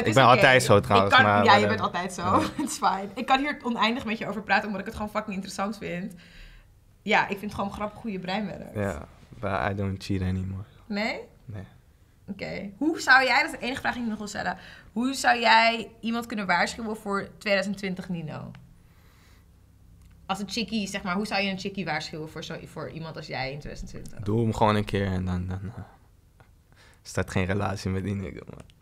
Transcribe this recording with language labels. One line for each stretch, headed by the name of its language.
Dutch: Ik ben altijd zo trouwens. Je bent altijd zo. Het is fijn. Ik kan hier oneindig met je over praten, omdat ik het gewoon fucking interessant vind. Ja, ik vind het gewoon grappig hoe je brein werkt.
English: Ja, but I don't cheat anymore.
Dutch: Nee? Nee. Oké. Hoe zou jij, dat is de enige vraag die ik nog wil stellen. Hoe zou jij iemand kunnen waarschuwen voor 2020, Nino? Als een chickie, zeg maar, hoe zou je een chickie waarschuwen voor iemand als jij in 2020? Doe hem gewoon een keer en dan staat geen relatie met die nigga, man.